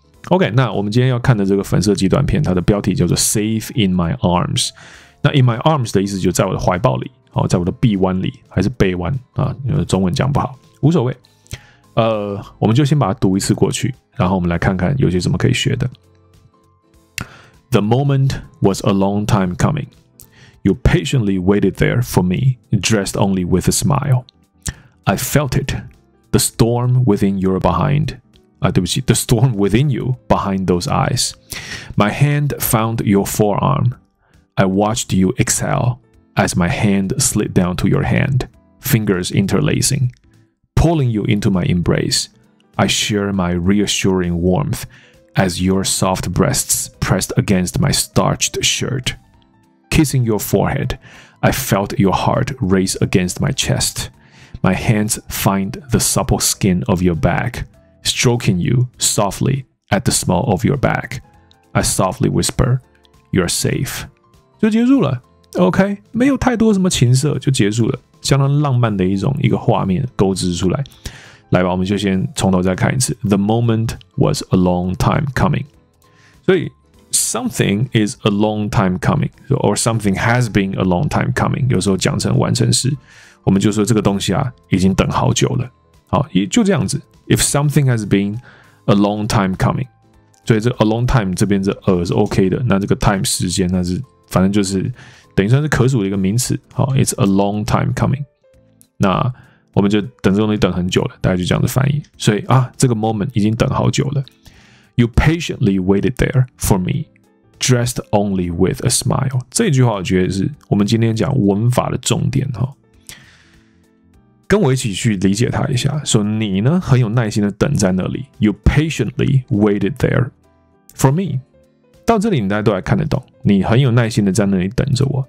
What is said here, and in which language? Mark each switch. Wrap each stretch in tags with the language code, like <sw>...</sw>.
<zh>OK， 那我们今天要看的这个粉色极短片，它的标题叫做</zh> <en>Safe in my arms，</en> <zh>那</zh> <en>in my arms</en> <zh>的意思就是在我的怀抱里，好，在我的臂弯里还是背弯啊？中文讲不好，无所谓。我们就先把它读一次过去，然后我们来看看有些什么可以学的。</zh> <en>The moment was a long time coming. You patiently waited there for me, dressed only with a smile. I felt it. The storm within your behind. The storm within you behind those eyes. My hand found your forearm. I watched you exhale. As my hand slid down to your hand, fingers interlacing, pulling you into my embrace, I share my reassuring warmth as your soft breasts pressed against my starched shirt. Kissing your forehead, I felt your heart race against my chest. My hands find the supple skin of your back, stroking you softly at the small of your back. I softly whisper, you're safe.</en> <zh>就结束了。 OK， 没有太多什么情色就结束了，相当浪漫的一种一个画面勾织出来。来吧，我们就先从头再看一次。</zh> <en>The moment was a long time coming， 所以 something is a long time coming， or something has been a long time coming。</en> <zh>有时候讲成完成时，我们就说这个东西啊已经等好久了。好，也就这样子。</zh> <en>If something has been a long time coming，</en> <zh>所以这</zh> <en>a long time</en> <zh>这边这是 OK 的，那这个 time 时间那是反正就是。等于算是可数的一个名词，好 ，</zh> <en>It's a long time coming。</en> <zh>那我们就等这东西等很久了，大家就这样子翻译。所以啊，这个 moment 已经等好久了。</zh> <en>You patiently waited there for me, dressed only with a smile。</en> <zh>这句话我觉得是我们今天讲文法的重点哈。跟我一起去理解它一下。说你呢，很有耐心的等在那里。</zh> <en>You patiently waited there for me。</en> <zh>到这里你大家都还看得懂，你很有耐心的在那里等着我。</zh>